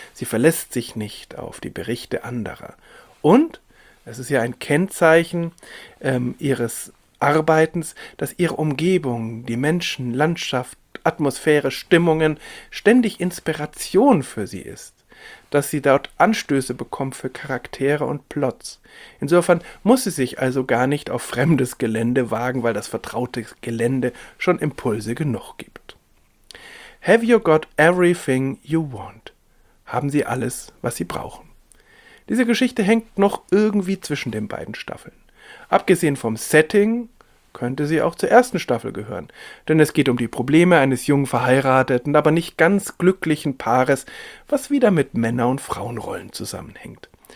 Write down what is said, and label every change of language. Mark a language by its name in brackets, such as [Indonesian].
[German] Sie verlässt sich nicht auf die Berichte anderer. Und es ist ja ein Kennzeichen ihres Arbeitens, dass ihre Umgebung, die Menschen, Landschaft, Atmosphäre, Stimmungen ständig Inspiration für sie ist, dass sie dort Anstöße bekommt für Charaktere und Plots. Insofern muss sie sich also gar nicht auf fremdes Gelände wagen, weil das vertraute Gelände schon Impulse genug gibt. [English] Have you got everything you want? [German] Haben Sie alles, was Sie brauchen? Diese Geschichte hängt noch irgendwie zwischen den beiden Staffeln. Abgesehen vom Setting, könnte sie auch zur ersten Staffel gehören. Denn es geht um die Probleme eines jungen verheirateten, aber nicht ganz glücklichen Paares, was wieder mit Männer- und Frauenrollen zusammenhängt.